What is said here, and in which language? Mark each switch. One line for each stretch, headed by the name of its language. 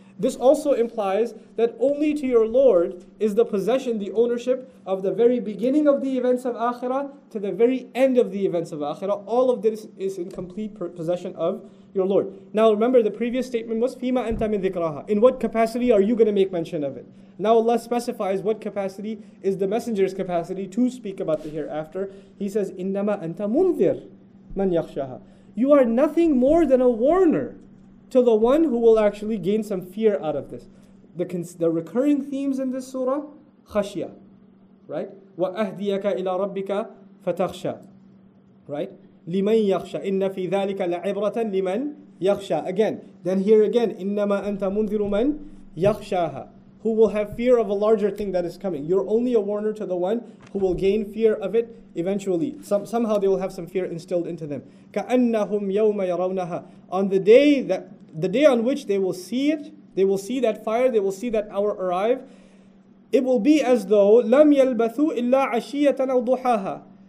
English: This also implies that only to your Lord is the possession, the ownership of the very beginning of the events of Akhirah to the very end of the events of Akhirah. All of this is in complete possession of your Lord. Now remember, the previous statement was
Arabic: فِيمَا أَنْتَ مِنْ ذِكْرَهَا.
English: In what capacity are you going to make mention of it? Now Allah specifies what capacity is the messenger's capacity to speak about the hereafter. He says
Arabic: إِنَّمَا أَنْتَ مُنْذِرْ مَنْ يَخْشَهَا.
English: You are nothing more than a warner to the one who will actually gain some fear out of this. The recurring themes in this surah, خَشْيَة, right?
Arabic: وَأَهْدِيَكَ إِلَىٰ رَبِّكَ فَتَخْشَى,
English: right?
Arabic: لِمَنْ يَخْشَى إِنَّ فِي ذَلِكَ لَعِبْرَةً لِمَنْ يَخْشَى.
English: Again, then here again,
Arabic: إِنَّمَا أَنْتَ مُنْذِرُ مَنْ يَخْشَاهَا.
English: Who will have fear of a larger thing that is coming. You're only a warner to the one who will gain fear of it eventually. Somehow they will have some fear instilled into them.
Arabic: كَأَنَّهُمْ يَوْمَ يَرَوْنَهَا.
English: On the day on which they will see it, they will see that fire, they will see that hour arrive, it will be as though
Arabic: لَمْ يَلْبَثُوا إِلَّا عَشِيَّةً أَوْ ضُحَاهَا.